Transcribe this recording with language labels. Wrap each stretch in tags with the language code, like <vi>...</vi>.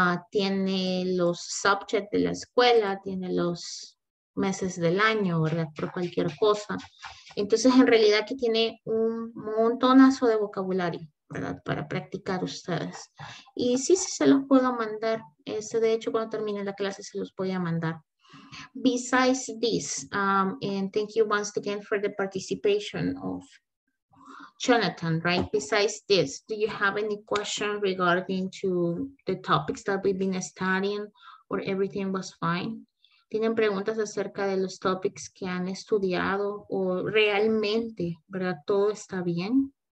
<es>Tiene los subjects de la escuela. Tiene los meses del año, ¿verdad? Por cualquier cosa. Entonces, en realidad aquí tiene un montonazo de vocabulario, ¿verdad? Para practicar ustedes. Y sí, sí se los puedo mandar. Este, de hecho, cuando termine la clase se los voy a mandar.</es> <en>Besides this, and thank you once again for the participation of Jonathan, right? Besides this, do you have any question regarding to the topics that we've been studying or everything was fine?</en> <es>¿Tienen preguntas acerca de los topics que han estudiado o realmente, ¿verdad? ¿Todo está bien?</es>